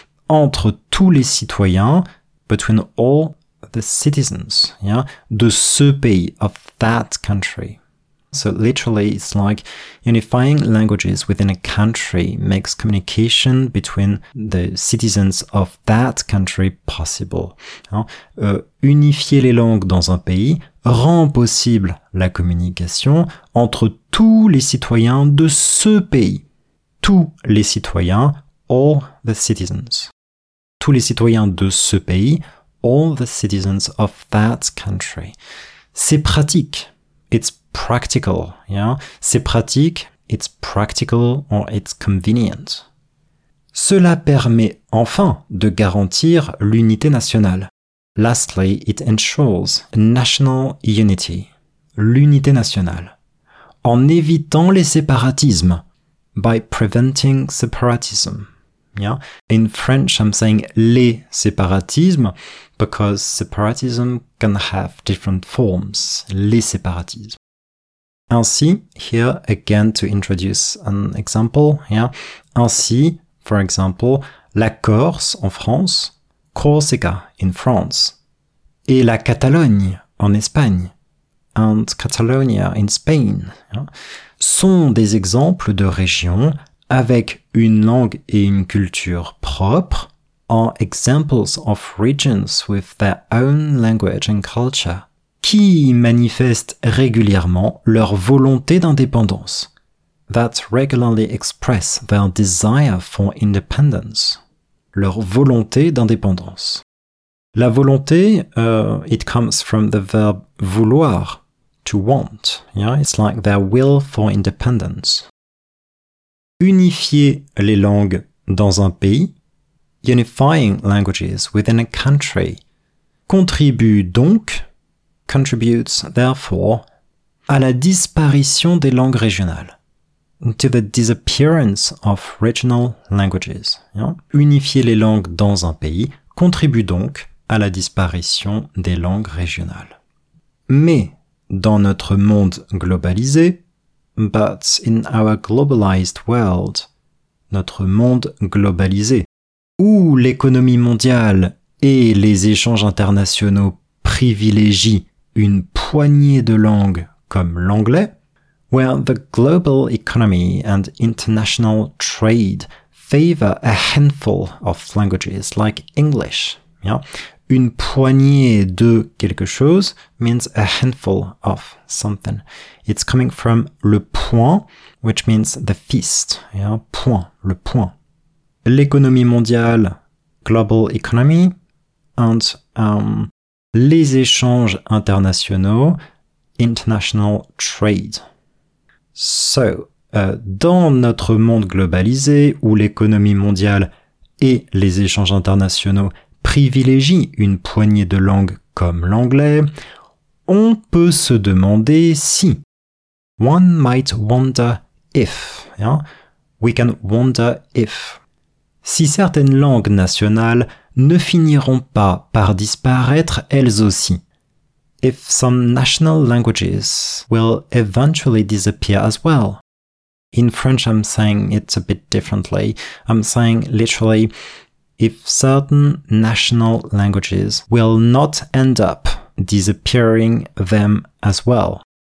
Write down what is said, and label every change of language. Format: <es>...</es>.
<fr>Entre tous les citoyens,</fr> <en>between all the citizens, yeah,</en> <fr>de ce pays,</fr> <en>of that country. So literally, it's like unifying languages within a country makes communication between the citizens of that country possible. Hein?</en> <fr>Unifier les langues dans un pays rend possible la communication entre tous les citoyens de ce pays. Tous les citoyens,</fr> <en>all the citizens.</en> <fr>Tous les citoyens de ce pays,</fr> <en>all the citizens of that country.</en> <fr>C'est pratique.</fr> <en>It's practical, yeah.</en> <fr>C'est pratique,</fr> <en>it's practical or it's convenient.</en> <fr>Cela permet enfin de garantir l'unité nationale.</fr> <en>Lastly, it ensures national unity,</en> <fr>l'unité nationale. En évitant les séparatismes,</fr> <en>by preventing separatism. Yeah. In French, I'm saying les séparatismes, because separatism can have different forms, les séparatismes. Ainsi, here again to introduce an example, yeah.</en> <fr>Ainsi,</fr> <en>for example,</en> <fr>la Corse en France,</fr> <en>Corsica in France,</en> <fr>et la Catalogne en Espagne,</fr> <en>and Catalonia in Spain, yeah,</en> <fr>sont des exemples de régions avec une langue et une culture propres,</fr> <en>are examples of regions with their own language and culture,</en> <fr>qui manifestent régulièrement leur volonté d'indépendance,</fr> <en>that regularly express their desire for independence,</en> <fr>leur volonté d'indépendance.</fr> <en>La volonté, it comes from the verb vouloir, to want, yeah, it's like their will for independence.</en> <fr>Unifier les langues dans un pays,</fr> <en>unifying languages within a country,</en> <fr>contribue donc,</fr> <en>contributes therefore,</en> <fr>à la disparition des langues régionales,</fr> <en>to the disappearance of regional languages. Yeah?</en> <fr>Unifier les langues dans un pays contribue donc à la disparition des langues régionales. Mais dans notre monde globalisé,</fr> <en>but in our globalized world,</en> <fr>notre monde globalisé, où l'économie mondiale et les échanges internationaux privilégient une poignée de langues comme l'anglais,</fr> <en>where the global economy and international trade favor a handful of languages like English. Yeah.</en> <fr>Une poignée de quelque chose</fr> <en>means a handful of something. It's coming from le poing, which means the fist. Yeah, poing, le poing.</en> <fr>L'économie mondiale,</fr> <en>global economy, and</en> <fr>les échanges internationaux,</fr> <en>international trade.</en> <fr>So, dans notre monde globalisé, où l'économie mondiale et les échanges internationaux privilégie une poignée de langues comme l'anglais, on peut se demander si.</fr> <en>One might wonder if. Yeah? We can wonder if.</en> <fr>Si certaines langues nationales ne finiront pas par disparaître elles aussi.</fr> <en>If some national languages will eventually disappear as well. In French, I'm saying it a bit differently. I'm saying literally, if certain national languages will not end up disappearing them as well.</en>